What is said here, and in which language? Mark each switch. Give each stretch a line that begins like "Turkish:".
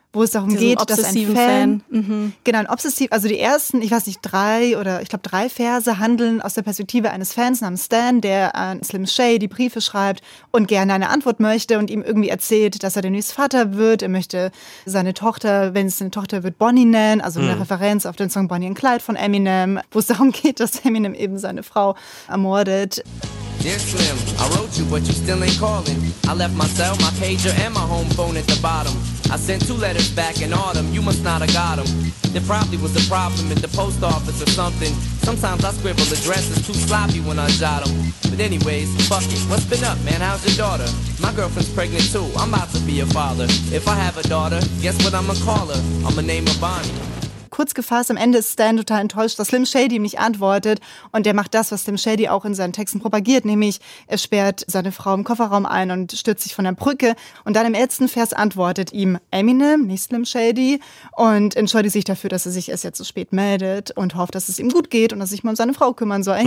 German: wo es darum geht, dass ein Fan. Genau, ein obsessiv, also die ersten, ich weiß nicht, drei Verse handeln aus der Perspektive eines Fans namens Stan, der an Slim Shady die Briefe schreibt und gerne eine Antwort möchte und ihm irgendwie erzählt, dass er demnächst Vater wird. Er möchte seine Tochter, wenn es eine Tochter wird, Bonnie nennen, also eine Referenz auf den Song Bonnie and Clyde von Eminem, wo es darum geht, dass Eminem eben seine Frau ermordet.
English: Dear Slim, I wrote you, but you still ain't calling. I left my cell, my pager, and my home phone at the bottom. I sent two letters back in autumn, you must not have got them. There probably was a problem at the post office or something. Sometimes I scribble addresses too sloppy when I jot them. But anyways, fuck it, what's been up, man, how's your daughter? My girlfriend's pregnant too, I'm about to be a father. If I have a daughter, guess what I'ma call her? I'ma name her Bonnie.
German: Kurz gefasst, am Ende ist Stan total enttäuscht, dass Slim Shady ihm nicht antwortet. Und der macht das, was Slim Shady auch in seinen Texten propagiert, nämlich er sperrt seine Frau im Kofferraum ein und stürzt sich von der Brücke. Und dann im letzten Vers antwortet ihm Eminem, nicht Slim Shady, und entschuldigt sich dafür, dass er sich erst jetzt so spät meldet und hofft, dass es ihm gut geht und dass sich mal um seine Frau kümmern soll.